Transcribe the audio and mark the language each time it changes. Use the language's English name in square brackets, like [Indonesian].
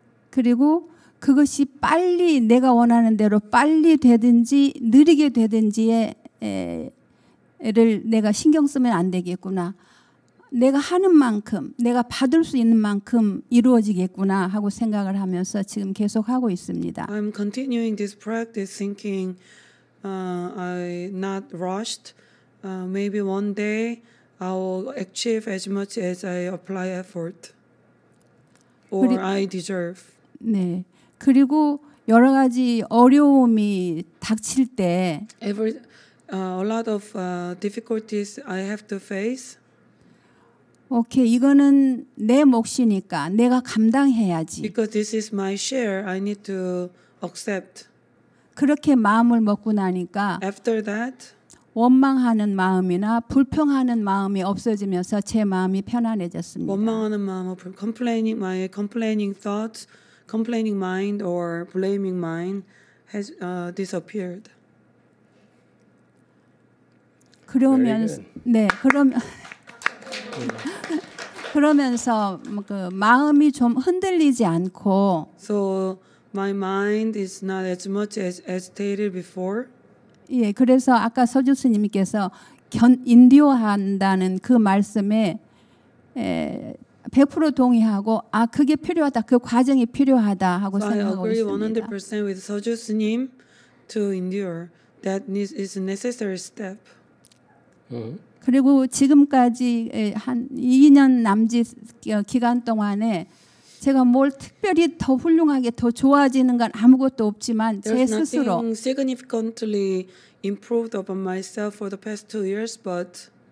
[Korean] 그리고 그것이 빨리 내가 원하는 대로 빨리 되든지 느리게 되든지에를 내가 신경 쓰면 안 되겠구나. 내가 하는 만큼, 내가 받을 수 있는 만큼 이루어지겠구나 하고 생각을 하면서 지금 계속 하고 있습니다. [English] I'm continuing this practice thinking I not rushed. Maybe one day I'll achieve as much as I apply effort or I deserve. [Korean] 네. 그리고 여러 가지 어려움이 닥칠 때 [English] a lot of difficulties I have to face. [Korean] 오케이, 이거는 내 몫이니까 내가 감당해야지. [English] Because this is my share, I need to accept. [Korean] 그렇게 마음을 먹고 나니까 [English] After that, [Korean] 원망하는 마음이나 불평하는 마음이 없어지면서 제 마음이 편안해졌습니다. 원망하는 마음, [English] complaining thoughts, complaining mind or blaming mind has disappeared. [Korean] 그러면 네, 그러면 그러면서 그 마음이 좀 흔들리지 않고 [English] So my mind is not as much as agitated before. [Korean] 예, 그래서 아까 서주 스님께서 인디오한다는 그 말씀에 100% 동의하고 아 그게 필요하다. 그 과정이 필요하다 하고 [English] so [Korean] 생각하고 있습니다. [English] I agree 100% with 서주 스님 to endure. That is a necessary step. [Korean] 그리고 지금까지 한 2년 남짓 기간 동안에 제가 뭘 특별히 더 훌륭하게 더 좋아지는 건 아무것도 없지만 [English] There's [Korean] 제 스스로 [English] nothing significantly improved upon myself for the past two years, but